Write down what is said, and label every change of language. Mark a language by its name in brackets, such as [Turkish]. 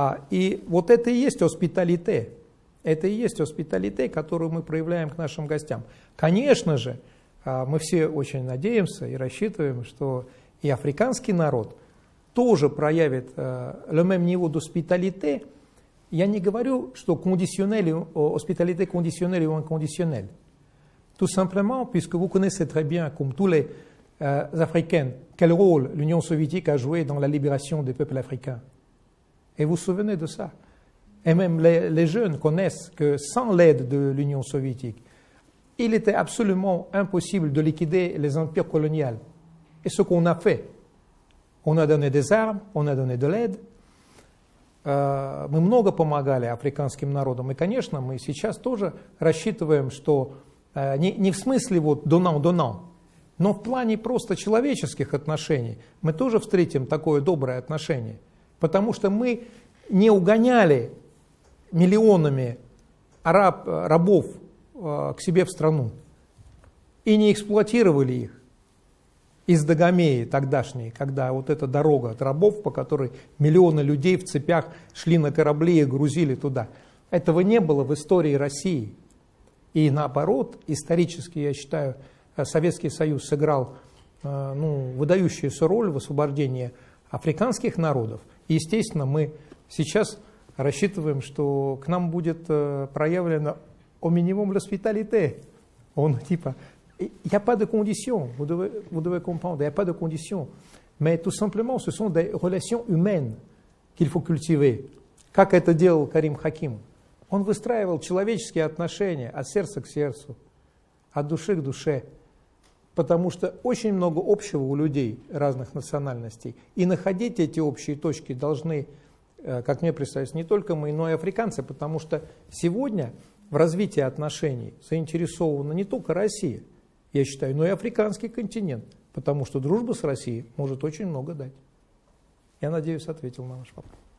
[Russian] И вот это и есть hospitalité. Это и есть hospitalité, которую мы проявляем к нашим гостям. Конечно же, мы все очень надеемся и рассчитываем, что и африканский народ тоже проявит [French] le même niveau d'hospitalité. [Russian] Я не говорю, что [French] hospitalité conditionnelle ou inconditionnelle. Tout simplement, puisque vous connaissez très bien, comme tous les Africains, quel rôle l'Union soviétique a joué dans la libération des peuples africains. Et vous vous souvenez de ça. Et même les jeunes connaissent que sans l'aide de l'Union soviétique, il était absolument impossible de liquider les empires coloniaux. Et ce qu'on a fait, on a donné des armes, on a donné de l'aide. [Russian] Мы много помогали африканским народам. И, конечно, мы сейчас тоже рассчитываем, что не в смысле вот донам-донам, но в плане просто человеческих отношений мы тоже встретим такое доброе отношение. Потому что мы не угоняли миллионами рабов к себе в страну и не эксплуатировали их из Дагомеи тогдашней, когда вот эта дорога от рабов, по которой миллионы людей в цепях шли на корабли и грузили туда. Этого не было в истории России. И наоборот, исторически, я считаю, Советский Союз сыграл выдающуюся роль в освобождении африканских народов. Естественно, мы сейчас рассчитываем, что к нам будет проявлено [French] au minimum l'hospitalité. [Russian] Он типа, [French] il y a pas de condition, vous devez comprendre, il y a pas de condition. Mais tout simplement, ce sont des relations humaines qu'il faut cultiver. [Russian] Как это делал Карим Хаким? Он выстраивал человеческие отношения от сердца к сердцу, от души к душе, потому что очень много общего у людей разных национальностей. И находить эти общие точки должны, как мне представляется, не только мы, но и африканцы, потому что сегодня в развитии отношений заинтересована не только Россия, я считаю, но и африканский континент, потому что дружба с Россией может очень много дать. Я надеюсь, ответил на ваш вопрос.